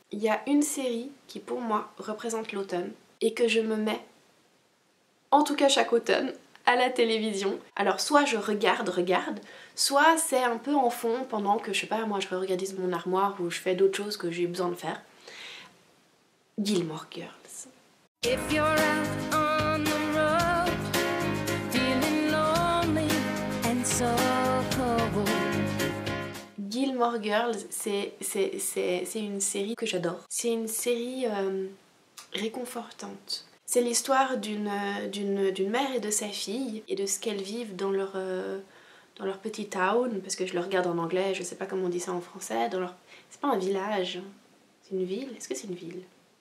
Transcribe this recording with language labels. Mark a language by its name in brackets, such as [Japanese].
[French] Il y a une série qui pour moi représente l'automne et que je me mets, en tout cas chaque automne, à la télévision. Alors soit je regarde, soit c'est un peu en fond pendant que, je sais pas, moi je regardise mon armoire ou je fais d'autres choses que j'ai besoin de faire. Gilmore Girls. [English] If you're out on the road, feeling lonely and so cold. [French] Gilmore Girls, c'est une série que j'adore. C'est une série réconfortante. C'est l'histoire d'une mère et de sa fille et de ce qu'elles vivent dans leur petit town, parce que je le regarde en anglais, je sais pas comment on dit ça en français, c'est pas un village, c'est une ville, est-ce que c'est une ville ?